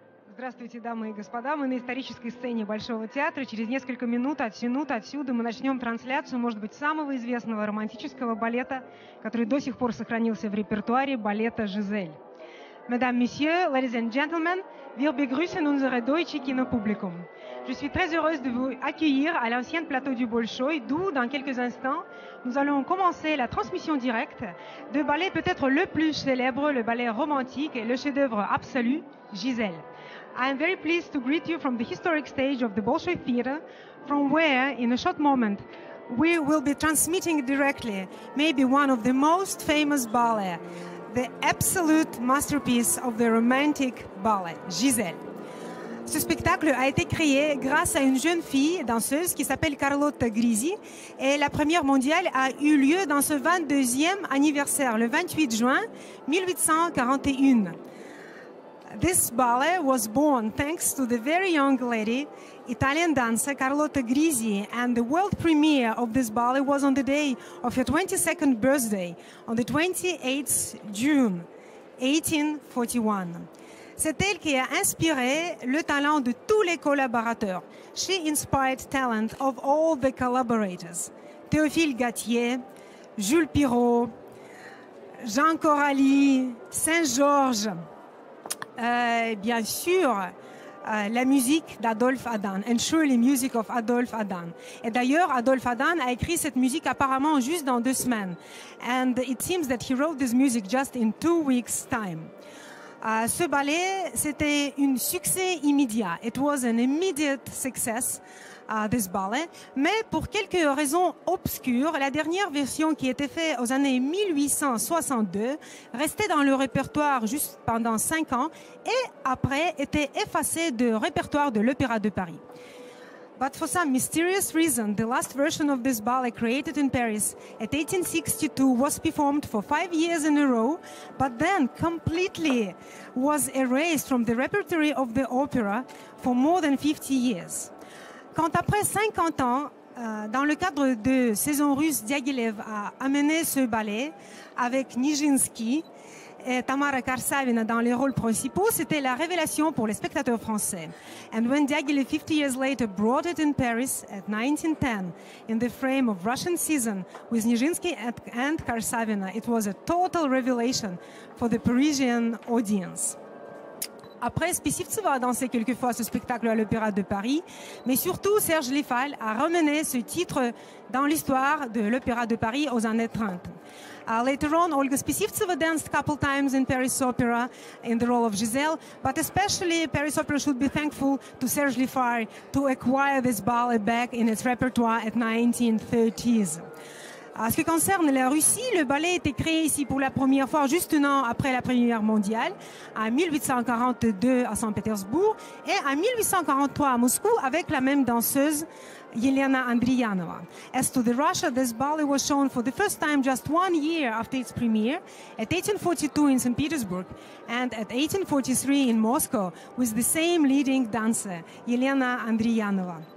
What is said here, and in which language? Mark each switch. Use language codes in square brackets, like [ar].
[ru] Здравствуйте, дамы и господа. Мы на исторической сцене Большого театра. Через несколько минут отсюда мы начнем трансляцию, может быть, самого известного романтического балета, который до сих пор сохранился в репертуаре, балета «Жизель». [fr] Mesdames, Messieurs, [en] ladies and gentlemen, [de] wir begrüßen unser deutsches Kinopublikum. [fr] Je suis très heureuse de vous accueillir à l'ancien plateau du Bolshoï, d'où, dans quelques instants, nous allons commencer la transmission directe de ballet peut-être le plus célèbre, le ballet romantique et le chef-d'œuvre absolu, Gisèle. [en] I am very pleased to greet you from the historic stage of the Bolshoï Theatre, from where, in a short moment, we will be transmitting directly maybe one of the most famous ballet. The absolute masterpiece of the romantic ballet, Gisèle. [fr] Ce spectacle a été créé grâce à une jeune fille danseuse qui s'appelle Carlotta Grisi et la première mondiale a eu lieu dans ce 22e anniversaire, le 28 juin 1841. [en] This ballet was born thanks to the very young lady, Italian dancer Carlotta Grisi, and the world premiere of this ballet was on the day of her 22nd birthday, on the 28th June, 1841. [fr] C'est elle qui a inspiré le talent de tous les collaborateurs. [en] She inspired talent of all the collaborators. [fr] Théophile Gattier, Jules Pirot, Jean Coralie, Saint-Georges. Bien sûr, la musique d'Adolphe Adam, [en] and surely music of Adolphe Adam. [fr] Et d'ailleurs, Adolphe Adam a écrit cette musique apparemment juste dans deux semaines. [en] And it seems that he wrote this music just in 2 weeks' time. [fr] Ce ballet, c'était un succès immédiat. [en] It was an immediate success, this ballet. [fr] Mais pour quelques raisons obscures, la dernière version qui était faite aux années 1862 restait dans le répertoire juste pendant 5 ans et après était effacée du répertoire de l'Opéra de Paris. [en] But for some mysterious reason, the last version of this ballet created in Paris at 1862 was performed for 5 years in a row, but then completely was erased from the repertory of the opera for more than 50 years. [fr] Quand après 50 ans, dans le cadre de saison russe, Diaghilev a amené ce ballet avec Nijinsky et Tamara Karsavina dans les rôles principaux, c'était la révélation pour les spectateurs français. [en] And when Diaghilev 50 years later brought it in Paris at 1910 in the frame of Russian season with Nijinsky and Karsavina, it was a total revelation for the Parisian audience. [fr] Après, Spécifcevo a dansé quelques fois ce spectacle à l'Opéra de Paris, mais surtout Serge Lifal a ramené ce titre dans l'histoire de l'Opéra de Paris aux années 30. [en] Later on, Olga Spécifcevo danced a couple times in Paris Opera in the role of Gisèle, but especially Paris Opera should be thankful to Serge Lifal to acquire this ballet back in its repertoire at 1930s. [fr] À ce qui concerne la Russie, le ballet était créé ici pour la première fois juste un an après la Première Guerre mondiale, en 1842 à Saint-Pétersbourg et en 1843 à Moscou avec la même danseuse Yelena Andriyanova. [en] As to the Russia, this ballet was shown for the first time just 1 year after its premiere at 1842 in St. Petersburg and at 1843 in Moscow with the same leading dancer, Yelena Andriyanova.